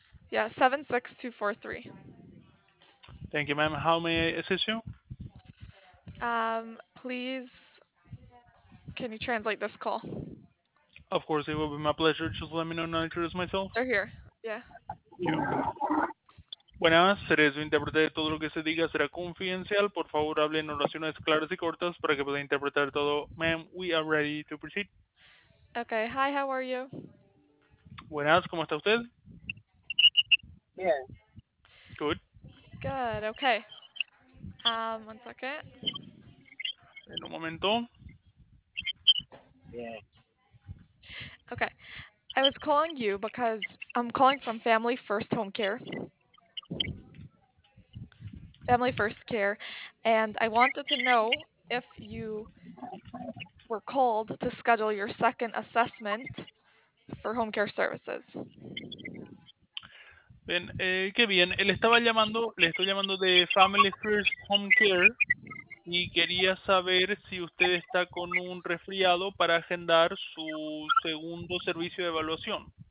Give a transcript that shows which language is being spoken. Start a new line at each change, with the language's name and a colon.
English: Yeah, 76243. Thank you, ma'am. How may I assist you? Please, can you translate this call? Of course, it will be my pleasure. Just let me know and I'll introduce myself. They're here. Yeah. Thank you.
Spanish: Buenas, seré su intérprete de todo lo que se diga, será confidencial. Por favor, hable en oraciones claras y cortas para que pueda interpretar todo.
English: Ma'am, we are ready to proceed. Okay, hi, how are you?
Spanish: Buenas, ¿cómo está usted? Bien.
English: Good. Good, okay. One second.
Spanish: En un momento. Bien.
English: Okay, I was calling you because I'm calling from Family First Home Care. Family First Care, and I wanted to know if you were called to schedule your second assessment for home care services.
Spanish: Bien, qué bien. Él estaba llamando, le estoy llamando de Family First Home Care y quería saber si usted está con un resfriado para agendar su segundo servicio de evaluación.